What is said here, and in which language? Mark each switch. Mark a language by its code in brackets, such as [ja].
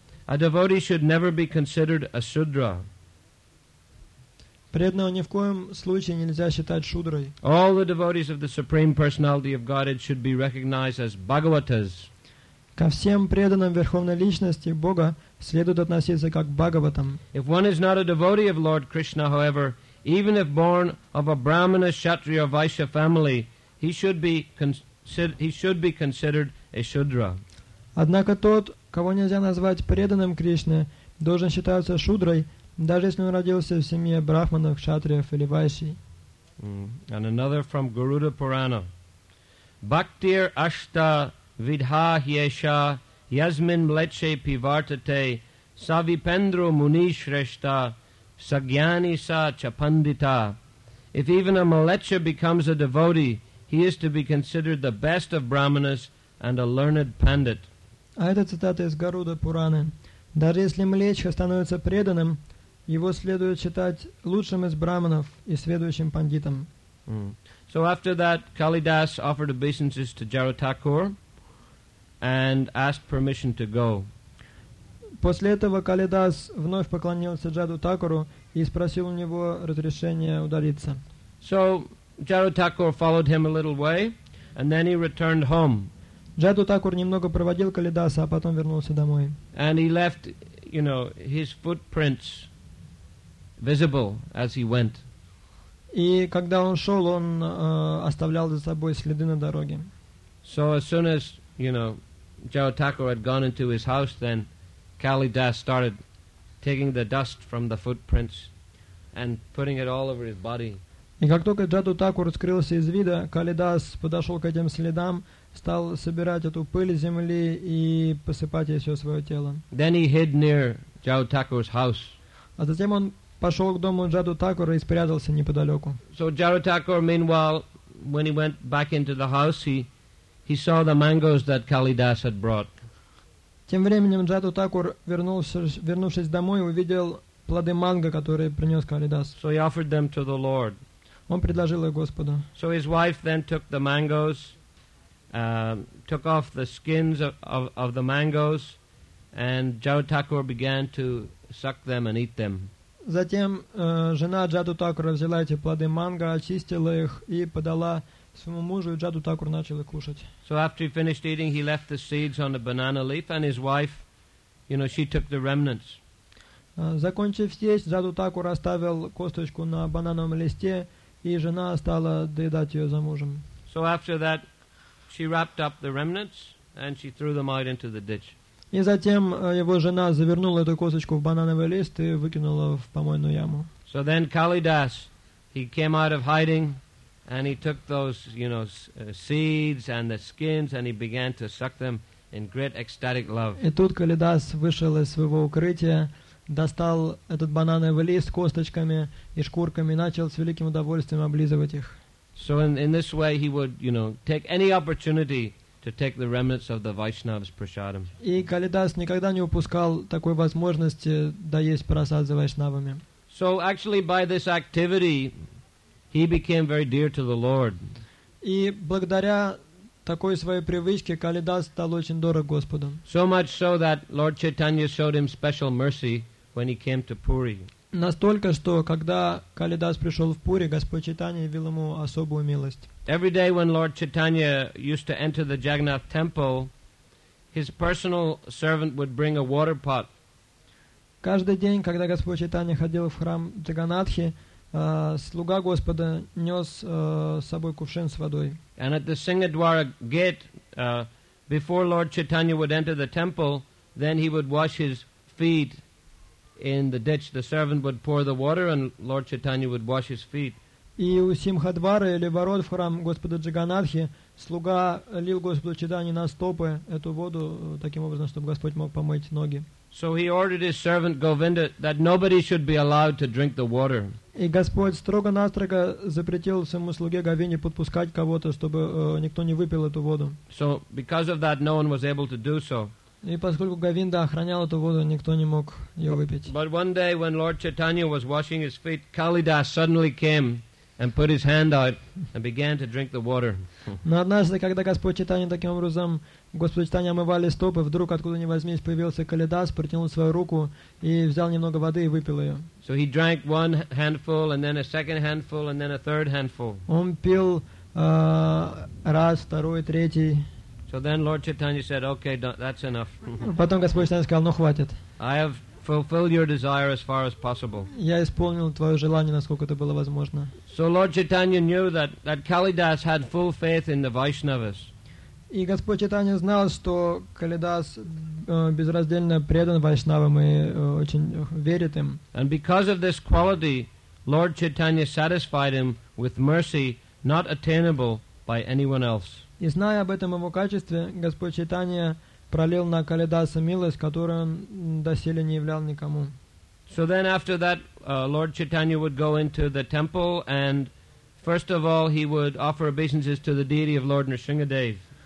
[en] A devotee should never be considered a шудра. [ru] Преданного ни в коем случае нельзя считать шудрой. [en] All the devotees of the Supreme Personality of Godhead should be recognized as бхагаватас. [ru] Ко всем преданным Верховной Личности Бога следует относиться как к Бхагаватам. [en] If one is not a devotee of Lord Krishna, however, even if born of a Brahmana, Kshatriya, or Vaishya family, he should be considered a Shudra. [ru] Однако тот, кого нельзя назвать преданным Кришне, должен считаться Шудрой, даже если он родился в семье Брахманов, Кшатриев или Вайши. [en] And another from Garuda Purana. [sa] Bhaktir Ashta Vidha Hyesha Yasmin Mleche Pivartate Savipendro Muni Shreshta Sagyani Sa Chapandita. [en] If even a Mlecha becomes a devotee, he is to be considered the best of Brahmanas and a learned pandit. [ru] А это цитата из Гаруда Пураны. Даже если Млечха становится преданным, его следует считать лучшим из Брахманов и следующим пандитом. [en] So after that, Kalidas offered obeisances to Jarutakur and asked permission to go. [ru] После этого Калидас вновь поклонился Джарутакуру и спросил у него разрешения удалиться. [en] So Jarutakur followed him a little way, and then he returned home. [ru] Джарутакур немного проводил Калидаса, а потом вернулся домой. [en] And he left, you know, his footprints visible as he went. [ru] И когда он шел, он оставлял за собой следы на дороге. [en] So as soon as, you know, Jarutakur had gone into his house, then Kalidas started taking the dust from the footprints and putting it all over his body. [ru] И как только Джарутакур скрылся из вида, Калидас подошел к этим следам, стал собирать эту пыль земли и посыпать ей все свое тело. [en] Then he hid near Jarutakur's house. [ru] А затем он пошел к дому Джарутакура и спрятался неподалеку. [en] So Jarutakur, meanwhile, when he went back into the house, he saw the mangoes that Kalidas had brought. [ru] Тем временем Джарутакур, вернувшись домой, увидел плоды манго, которые принес Калидас. [en] So he offered them to the Lord. [ru] Он предложил их Господу. [en] So his wife then took the mangoes, took off the skins of the mangoes, and Jarutakur began to suck them and eat them. [ru] Затем жена Джарутакура взяла эти плоды манго, очистила их и подала своему мужу, и Джарутакур начал их кушать. [en] So after he finished eating, he left the seeds on a banana leaf, and his wife, you know, she took the remnants. [ru] Закончив съесть, Джарутакур оставил косточку на банановом листе, и жена стала доедать ее за мужем. [en] So after that, she wrapped up the remnants, and she threw them out into the ditch. [ru] И затем его жена завернула эту косточку в банановый лист и выкинула в помойную яму. [en] So then Kalidas, he came out of hiding, and he took those, you know, seeds and the skins, and he began to suck them in great ecstatic love. [ru] И тут Калидас вышел из своего укрытия, достал этот банановый лист косточками и шкурками, и начал с великим удовольствием облизывать их. [en] So in this way he would, you know, take any opportunity to take the remnants of the Vaishnavas prasadam. [ru] И Калидас никогда не упускал такой возможности доесть прасад за вайшнавами. [en] So actually by this activity, He became very dear to the Lord. [ru] И благодаря такой своей привычке Калидас стал очень дорог Господу. [en] So much so that Lord Chaitanya showed him special mercy when he came to Puri. [ru] Настолько, что когда Калидас пришел в Пури, Господь Чайтанья явил ему особую милость. [en] Every day when Lord Chaitanya used to enter the Jagannath temple, his personal servant would bring a water pot. [ru] Каждый день, когда Господь Чайтанья ходил в храм Джаганнатхи, слуга Господа нес с собой кувшин с водой. [en] And at the Singhadwara gate, before Lord Chaitanya would enter the temple, then he would wash his feet in the ditch. The servant would pour the water and Lord Chaitanya would wash his feet. [ru] И у Симхадвары, или ворот в храм Господа Джаганнатхи, слуга лил Господу Чайтанье на стопы эту воду, таким образом, чтобы Господь мог помыть ноги. [en] So he ordered his servant Govinda that nobody should be allowed to drink the water. [ru] И Господь строго-настрого запретил своему слуге Говинде подпускать кого-то, чтобы никто не выпил эту воду. [en] So because of that, no one was able to do so. [ru] И поскольку Говинда охранял эту воду, никто не мог ее выпить. [en] But one day, when Lord Chaitanya was washing his feet, Kalidas suddenly came and put his hand out and began to drink the water. [ru] Но однажды, когда Господь Чайтанья таким образом, Господь Чайтанья омывали стопы, вдруг откуда ни возьмись появился Калидас, протянул свою руку и взял немного воды и выпил ее. [en] So he drank one handful and then a second handful and then a third handful. [ru] Он пил раз, второй, третий. [en] So then Lord Chaitanya said, "Okay, that's enough." [ru] Потом Господь Чайтанья сказал, ну хватит. [en] I have fulfill your desire as far as possible. [ru] Я исполнил твое желание, насколько это было возможно. [en] So Lord Chaitanya knew that Kalidas had full faith in the Vaishnavas. [ru] И Господь Чайтанья знал, что Калидас безраздельно предан Вайшнавам и очень верит им. [en] And because of this quality, Lord Chaitanya satisfied him with mercy not attainable by anyone else. [ru] И зная об этом его качестве, Господь Чайтанья пролил на Калидаса милость, которую он доселе не являл никому. [en] So then after that, Lord Chaitanya would go into the temple and first of all he would offer obeisances to the deity of Lord Nrsingadev.